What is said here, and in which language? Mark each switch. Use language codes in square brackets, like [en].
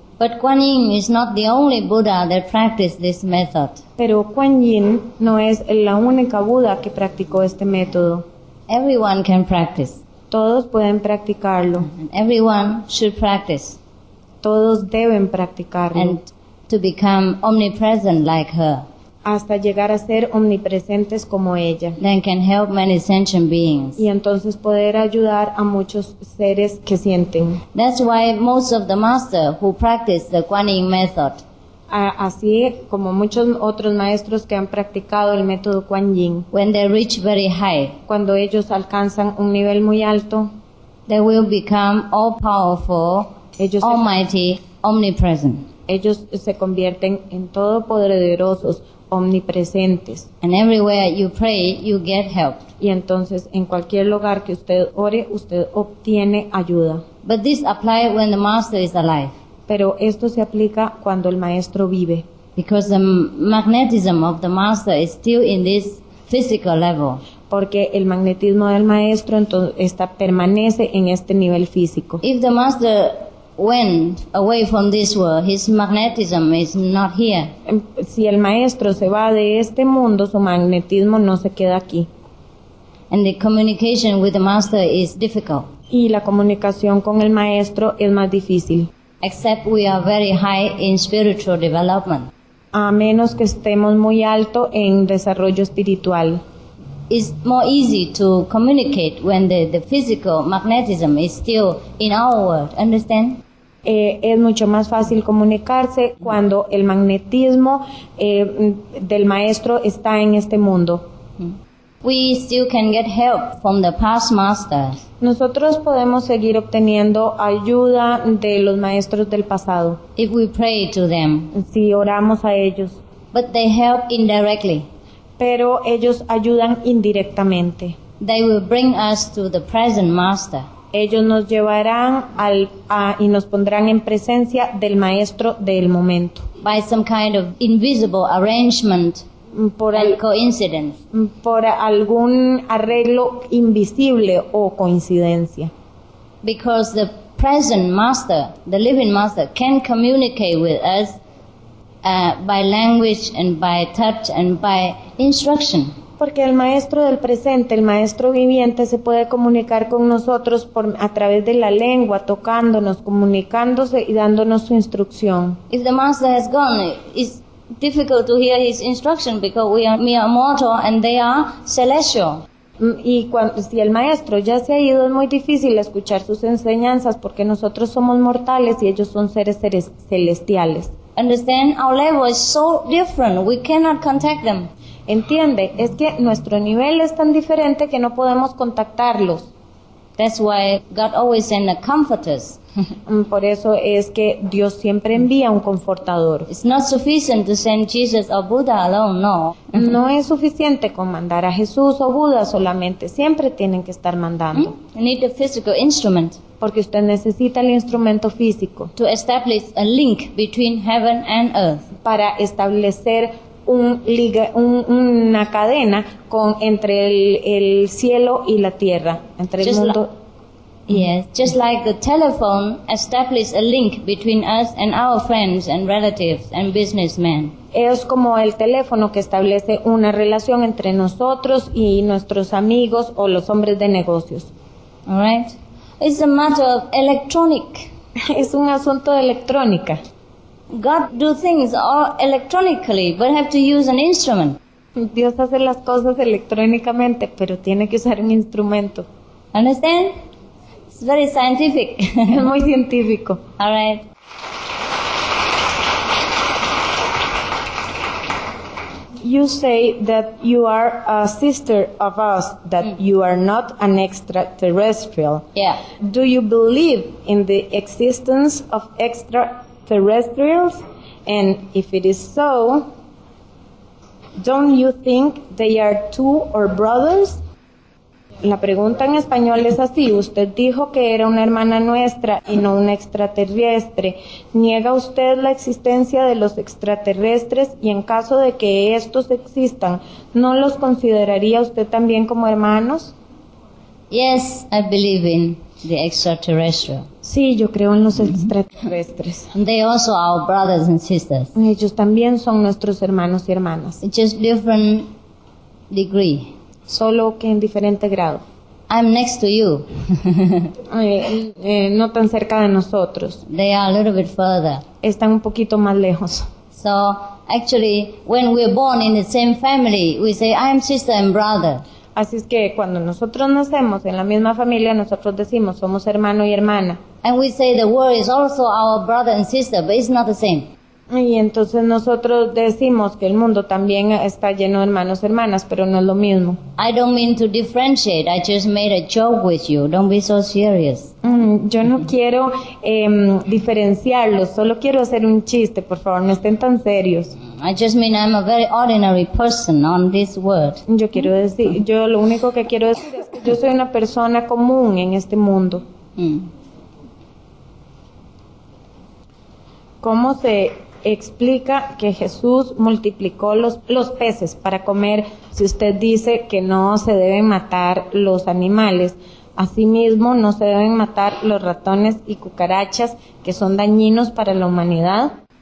[en] But Kuan Yin is not the only Buddha that practiced this method. [es] Pero Kuan Yin no es la única Buda que practicó este método. [en] Everyone can practice. [es] Todos pueden practicarlo. [en] Everyone should practice. [es] Todos deben practicarlo. [en] And to become omnipresent like her. [es] Hasta llegar a ser omnipresentes como ella. [en] Then can help many sentient beings. [es] Y entonces poder ayudar a muchos seres que sienten. [en] That's why most of the masters who practice the Kuan Yin method. [es] Así como muchos otros maestros que han practicado el método Kuan Yin. [en] When they reach very high. [es] Cuando ellos alcanzan un nivel muy alto. [en] They will become all powerful, [es] ellos [en] almighty, omnipresent. [es] Ellos se convierten en todopoderosos. Omnipresentes. [en] And everywhere you pray, you get help. [es] Y entonces en cualquier lugar que usted ore, usted obtiene ayuda. [en] But this applies when the master is alive. [es] Pero esto se aplica cuando el maestro vive. [en] Because the magnetism of the master is still in this physical level. [es] Porque el magnetismo del maestro permanece en este nivel físico. [en] If the master went away from this world, his magnetism is not here. [es] Si el maestro se va de este mundo, su magnetismo no se queda aquí. [en] And the communication with the master is difficult. [es] Y la comunicación con el maestro es más difícil. [en] Except we are very high in spiritual development. [es] A menos que estemos muy alto en desarrollo espiritual. [en] It's more easy to communicate when the physical magnetism is still in our world. Understand? [es] Es mucho más fácil comunicarse cuando el magnetismo del maestro está en este mundo. [en] We still can get help from the past masters. [es] Nosotros podemos seguir obteniendo ayuda de los maestros del pasado. [en] If we pray to them. [es] Si oramos a ellos. [en] But they help indirectly. [es] Pero ellos ayudan indirectamente. [en] They will bring us to the present master. [es] Ellos nos llevarán y nos pondrán en presencia del maestro del momento. [en] By some kind of invisible arrangement and coincidence. [es] Por algún arreglo invisible o coincidencia. [en] Because the present master, the living master, can communicate with us by language and by touch and by instruction. [es] Porque el maestro del presente, el maestro viviente, se puede comunicar con nosotros a través de la lengua, tocándonos, comunicándose y dándonos su instrucción. [en] If the master has gone, it's difficult to hear his instruction because we are mortal and they are celestial. [es] Y si el maestro ya se ha ido, es muy difícil escuchar sus enseñanzas porque nosotros somos mortales y ellos son seres celestiales. [en] Understand? Our level is so different. We cannot contact them. [es] Entiende, es que nuestro nivel es tan diferente que no podemos contactarlos. [en] That's why God always sends a comforter. [es] Por eso es que Dios siempre envía un confortador. [en] It's not sufficient to send Jesus or Buddha alone, no. [es] No es suficiente con mandar a Jesús o Buda solamente. Siempre tienen que estar mandando. [en] You need a physical instrument. [es] Porque usted necesita el instrumento físico. [en] To establish a link between heaven and earth. [es] Para establecer una cadena con entre el cielo y la tierra, entre [en] just [es] el mundo. [en] Just like the telephone establishes a link between us and our friends and relatives and businessmen. [es] Es como el teléfono que establece una relación entre nosotros y nuestros amigos o los hombres de negocios. [en] All right. It's a matter of electronic. [es] Es un asunto de electrónica. [en] God do things all electronically, but have to use an instrument. [es] Dios hace las cosas electrónicamente, pero tiene que usar un instrumento. [en] Understand? It's very scientific. [es] Es muy científico. [en] All right. You say that you are a sister of us, that you are not an extraterrestrial. Yeah. Do you believe in the existence of extraterrestrials? And if it is so, don't you think they are two or brothers? [es] La pregunta en español es así. Usted dijo que era una hermana nuestra y no una extraterrestre. ¿Niega usted la existencia de los extraterrestres? Y en caso de que estos existan, ¿no los consideraría usted también como hermanos? [en] Yes, I believe in the extraterrestrial. [es] Sí, yo creo en los extraterrestres. [en] They also are our brothers and sisters. [es] Ellos también son nuestros hermanos y hermanas. [en] It's just different degree. [es] Solo que en diferente grado. [en] I'm next to you. [es] No tan cerca de nosotros. [en] They are a little bit further. [es] Están un poquito más lejos. [en] So, actually, when we're born in the same family, we say, I am sister and brother. [es] Así es que cuando nosotros nacemos en la misma familia, nosotros decimos, somos hermano y hermana. [en] And we say the world is also our brother and sister, but it's not the same. [es] Y entonces nosotros decimos que el mundo también está lleno de hermanos y hermanas, pero no es lo mismo. [en] I don't mean to differentiate, I just made a joke with you, don't be so serious. [es] Yo no quiero diferenciarlos, solo quiero hacer un chiste, por favor, no estén tan serios. [en] I just mean I'm a very ordinary person on this world. [es] Yo quiero decir, yo lo único que quiero decir es que yo soy una persona común en este mundo. ¿Cómo se explica que Jesús multiplicó los peces para comer? Si usted dice que no se deben matar los animales, asimismo no se deben matar los ratones y cucarachas que son dañinos para la humanidad.